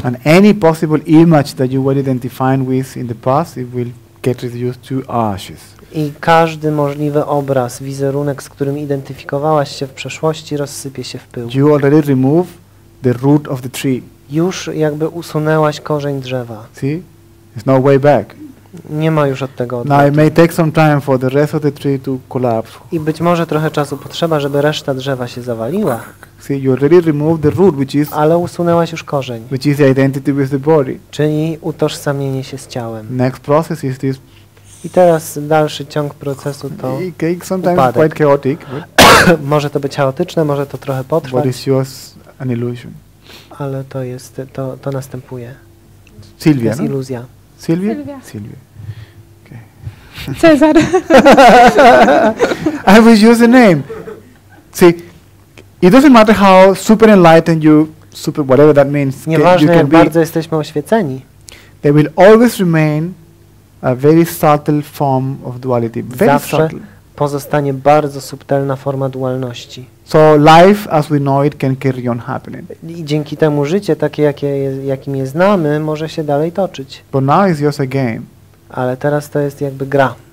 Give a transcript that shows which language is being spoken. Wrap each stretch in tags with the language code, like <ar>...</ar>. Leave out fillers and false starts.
<en>And any possible image that you were identifying with in the past, it will get reduced to ashes.</en> <pl>I każdy możliwy obraz, wizerunek, z którym identyfikowałaś się w przeszłości, rozsypie się w pył.</pl> <en>You already remove the root of the tree.</en> <pl>Już jakby usunęłaś korzeń drzewa.</pl> <en>See? There's no way back.</en> <pl>Nie ma już od tego odwrotu.</pl> <en>Now it may take some time for the rest of the tree to collapse.</en> <pl>I być może trochę czasu potrzeba, żeby reszta drzewa się zawaliła.</pl> <en>See, you already removed the root, which is.</en> <pl>Ale usunęłaś już korzeń.</pl> <en>Which is the identity with the body.</en> <pl>Czyli utożsamienie się z ciałem.</pl> <en>Next process is this.</en> <pl>I teraz dalszy ciąg procesu to upadek.</pl> <en>Sometimes quite chaotic.</en> <pl>Może to być chaotyczne, może to trochę potrwać.</pl> <en>What is yours, an illusion?</en> <pl>Ale to jest, to następuje. Sylwia, to jest iluzja. Sylwia? Sylwia.</pl> <en>Okay. Cezar. I will use a name. See, it doesn't matter how super enlightened you, super whatever that means.</en> <pl>Nieważne, jak bardzo jesteśmy oświeceni.</pl> <en>They will always remain a very subtle form of duality. Very</en> <pl>zawsze</pl> <en>subtle.</en> <pl>Pozostanie bardzo subtelna forma dualności.</pl> <en>So life as we know it can carry on happening.</en> <pl>I dzięki temu życie takie jakim je znamy może się dalej toczyć.</pl> <en>But now it's just a game.</en> <pl>Ale teraz to jest jakby gra.</pl>